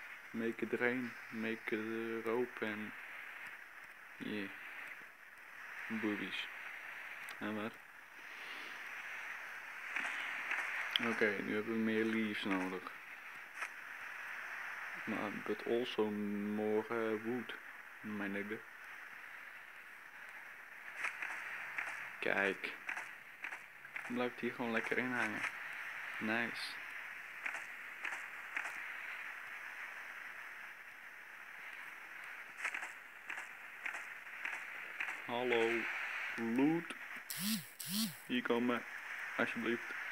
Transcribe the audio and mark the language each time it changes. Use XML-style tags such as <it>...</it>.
<en>Make it rain. Make it rope en. Yeah. Boobies.</en> <nl>En wat? Oké, nu hebben we meer leaves nodig. Maar</nl> <en>but also more wood, mijn nigga.</en> <nl>Kijk. Blijft hier gewoon lekker in hangen. Nice. Hallo, loot. Hier komen, alsjeblieft.</nl>